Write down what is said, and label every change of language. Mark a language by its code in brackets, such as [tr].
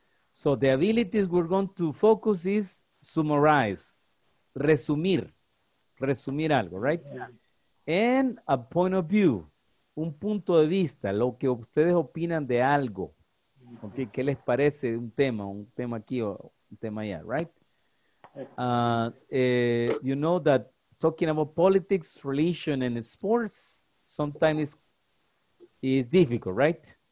[en] So the abilities we're going to focus is summarize, [es] resumir algo, [en] right? Yeah. And a point of view. [es] Un punto de vista, lo que ustedes opinan de algo. Okay, ¿qué les parece un tema aquí o un tema allá, right? [en] You know that talking about politics, religion, and sports sometimes is difficult, right?